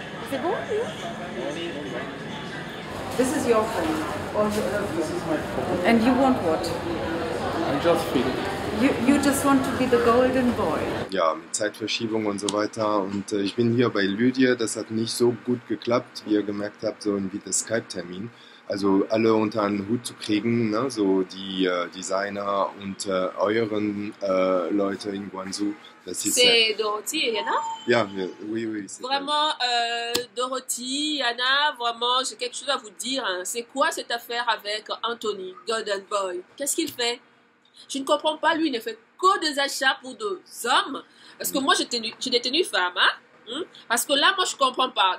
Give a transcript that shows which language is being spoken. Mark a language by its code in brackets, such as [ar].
[fr] C'est bon? [en] This is your friend. This is my friend. And you want what? I'm just feeling. You just want to be the golden boy. [de] Ja, mit Zeitverschiebung und so weiter. Und ich bin hier bei Lydia. Das hat nicht so gut geklappt, wie ihr gemerkt habt, so wie der Skype-Termin. Also alle unter einen Hut zu kriegen, ne? So die Designer und euren Leute in Guangzhou. Das ist [fr] c'est Dorothee et Yana? Ja, oui, c'est vraiment, Dorothee, Yana, vraiment, j'ai quelque chose à vous dire. Hein. C'est quoi cette affaire avec Anthony, golden boy? Qu'est-ce qu'il fait? Je ne comprends pas, lui, il ne fait que des achats pour des hommes. Parce que moi, j'étais tenue femme. Hein? Parce que là, moi, je ne comprends pas.